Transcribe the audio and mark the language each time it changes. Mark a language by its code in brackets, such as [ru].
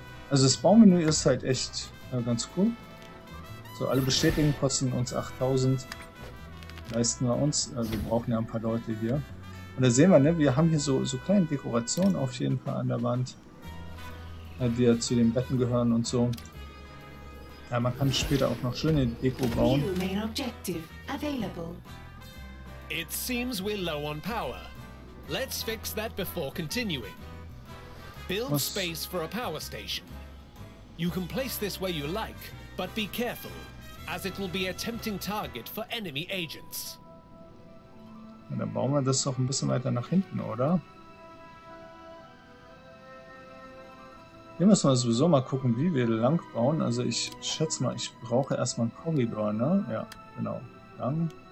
[de] Also das Baumenü ist halt echt ganz cool. So, alle bestätigen, kosten uns 8000. Leisten wir uns. Also wir brauchen ja ein paar Leute hier. Und da sehen wir, ne, wir haben hier so kleine Dekorationen auf jeden Fall an der Wand, die ja zu den Betten gehören und so. Ja, man kann später auch noch schöne Deko bauen. [en] New main objective available. It seems we're low on power. Let's fix that before continuing. Build space for a power station. You can place this where you like, but be careful, as it will be a tempting target for enemy agents. [de] Ja, dann bauen wir das doch ein bisschen weiter nach hinten, oder? Hier müssen wir sowieso mal gucken, wie wir lang bauen. Also ich schätze mal, ich brauche erstmal einen Korridor, ne? Ja, genau. Lang.